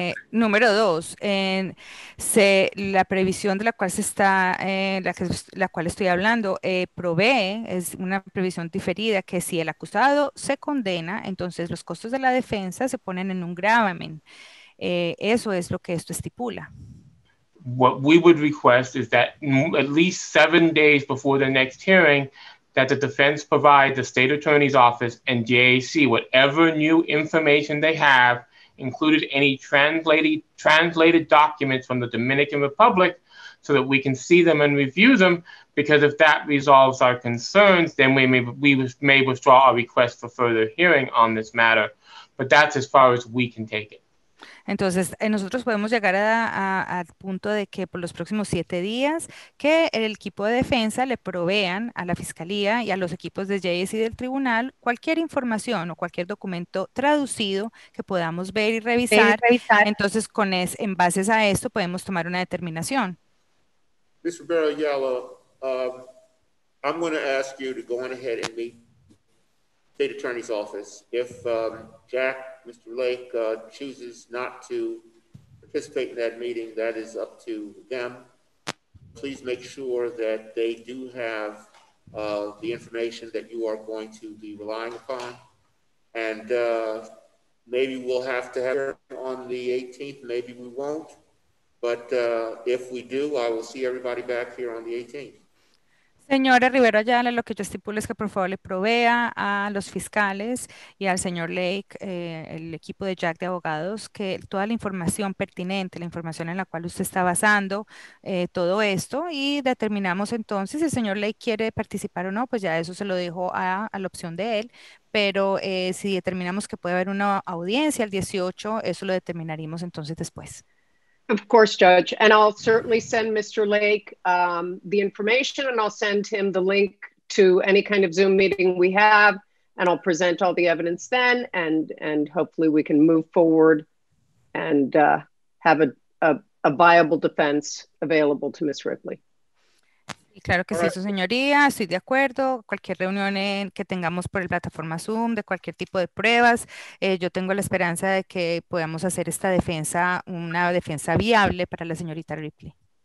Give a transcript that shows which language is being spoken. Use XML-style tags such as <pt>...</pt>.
<es>Número dos, la previsión de la cual se está, la cual estoy hablando, provee, es una previsión diferida, que si el acusado se condena, entonces los costos de la defensa se ponen en un gravamen. Eso es lo que esto estipula.</es> <en>What we would request is that at least 7 days before the next hearing, that the defense provide the state attorney's office and JAC whatever new information they have, included any translated documents from the Dominican Republic, so that we can see them and review them, because if that resolves our concerns, then we may withdraw our request for further hearing on this matter. But that's as far as we can take it. Entonces, nosotros podemos llegar al punto de que por los próximos 7 días que el equipo de defensa le provean a la fiscalía y a los equipos de JAC del tribunal cualquier información o cualquier documento traducido que podamos ver y revisar. Entonces, en base a esto, podemos tomar una determinación. Ms. Rivera-Ayala, I'm going to ask you to go on ahead and meet State Attorney's Office. If Jack, Mr. Lake, chooses not to participate in that meeting, that is up to them. Please make sure that they do have the information that you are going to be relying upon. And maybe we'll have to have on the 18th, maybe we won't. But if we do, I will see everybody back here on the 18th.</en> <es>Señora Rivera Ayala, lo que yo estipulo es que por favor le provea a los fiscales y al señor Lake, el equipo de JAC de abogados, que toda la información pertinente, la información en la cual usted está basando todo esto, y determinamos entonces si el señor Lake quiere participar o no, pues ya eso se lo dijo a la opción de él, pero si determinamos que puede haber una audiencia el 18, eso lo determinaremos entonces después.</es> <en>Of course, Judge. And I'll certainly send Mr. Lake the information, and I'll send him the link to any kind of Zoom meeting we have, and I'll present all the evidence then, and hopefully we can move forward and have a viable defense available to Ms. Ripley.</en> <es>Y claro que sí, su señoría, estoy de acuerdo. Cualquier reunión que tengamos por el plataforma Zoom, de cualquier tipo de pruebas, yo tengo la esperanza de que podamos hacer esta defensa una defensa viable para la señorita Ripley.</es>